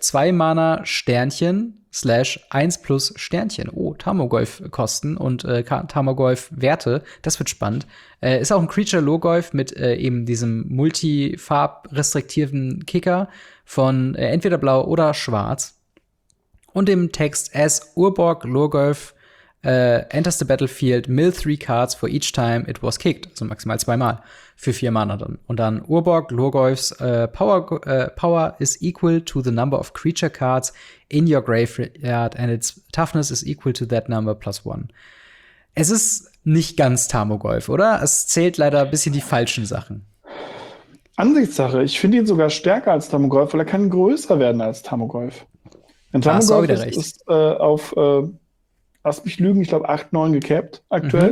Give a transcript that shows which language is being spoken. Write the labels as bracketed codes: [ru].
[de] 2 Mana Sternchen / 1+ Sternchen. Oh, Tarmogolf-Kosten und Tarmogolf-Werte. Das wird spannend. Ist auch ein Creature Lurgolf mit eben diesem multifarbrestriktiven Kicker von entweder blau oder schwarz. Und dem Text as Urborg Lurgolf. [en] Enters the battlefield, mill 3 cards for each time it was kicked. [de] Also maximal 2 Mal für 4 Mana dann. Und dann [en] Urborg, Lurgolfs, power is equal to the number of creature cards in your graveyard and its toughness is equal to that number plus 1. [de] Es ist nicht ganz Tarmogolf, oder? Es zählt leider ein bisschen die falschen Sachen. Ansichtssache. Ich finde ihn sogar stärker als Tarmogolf, weil er kann größer werden als Tarmogolf. Denn Tarmogolf hast du auch wieder recht. Ist auf lass mich lügen, ich glaube 8, 9 gecapped aktuell.